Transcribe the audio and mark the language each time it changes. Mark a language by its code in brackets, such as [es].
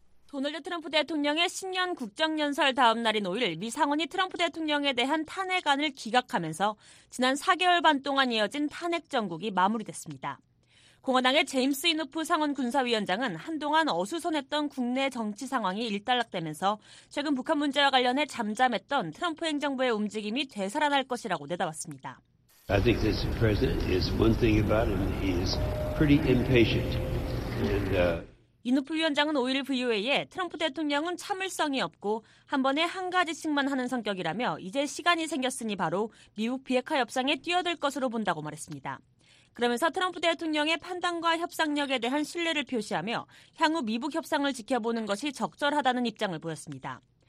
[ko] 도널드 트럼프 대통령의 신년 국정연설 다음 날인 5일 미 상원이 트럼프 대통령에 대한 탄핵안을 기각하면서 지난 4개월 반 동안 이어진 탄핵 정국이 마무리됐습니다. 공화당의 제임스 이누프 상원 군사위원장은 한동안 어수선했던 국내 정치 상황이 일단락되면서 최근 북한 문제와 관련해 잠잠했던 트럼프 행정부의 움직임이 되살아날 것이라고 내다봤습니다. [en] I think this president is one thing about him. He is pretty impatient. And, [ko] 이누프 위원장은 5일 VOA에 트럼프 대통령은 참을성이 없고 한 번에 한 가지씩만 하는 성격이라며 이제 시간이 생겼으니 바로 미국 비핵화 협상에 뛰어들 것으로 본다고 말했습니다. 그러면서 트럼프 대통령의 판단과 협상력에 대한 신뢰를 표시하며 향후 미북 협상을 지켜보는 것이 적절하다는 입장을 보였습니다.